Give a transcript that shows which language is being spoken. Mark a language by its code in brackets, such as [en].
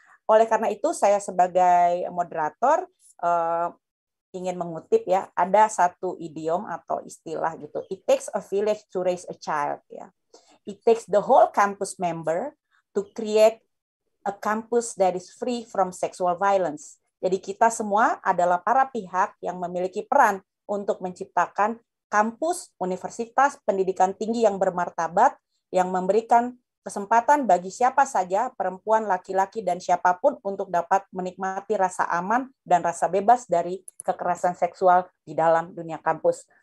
[id] Oleh karena itu, saya sebagai moderator ingin mengutip, ya, ada satu idiom atau istilah gitu, [en] it takes a village to raise a child, [id] ya. [en] It takes the whole campus member to create a campus that is free from sexual violence. [id] Jadi kita semua adalah para pihak yang memiliki peran untuk menciptakan kampus, universitas, pendidikan tinggi yang bermartabat, yang memberikan kesempatan bagi siapa saja, perempuan, laki-laki, dan siapapun untuk dapat menikmati rasa aman dan rasa bebas dari kekerasan seksual di dalam dunia kampus.